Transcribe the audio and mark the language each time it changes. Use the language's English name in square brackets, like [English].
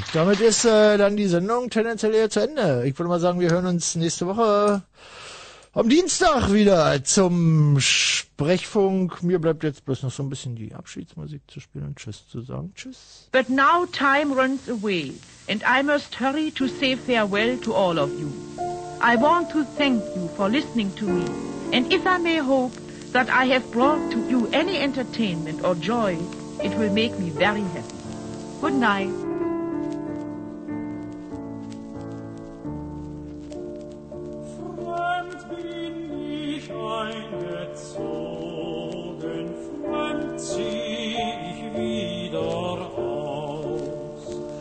[German] Damit ist dann die Sendung tendenziell eher zu Ende. Ich würde mal sagen, wir hören uns nächste Woche am Dienstag wieder zum Sprechfunk. Mir bleibt jetzt bloß noch so ein bisschen die Abschiedsmusik zu spielen und Tschüss zu sagen. Tschüss. [English] But now time runs away and I must hurry to say farewell to all of you. I want to thank you for listening to me and if I may hope that I have brought to you any entertainment or joy, it will make me very happy. Good night. [German] Fremd bin ich eingezogen, fremd zieh ich wieder aus.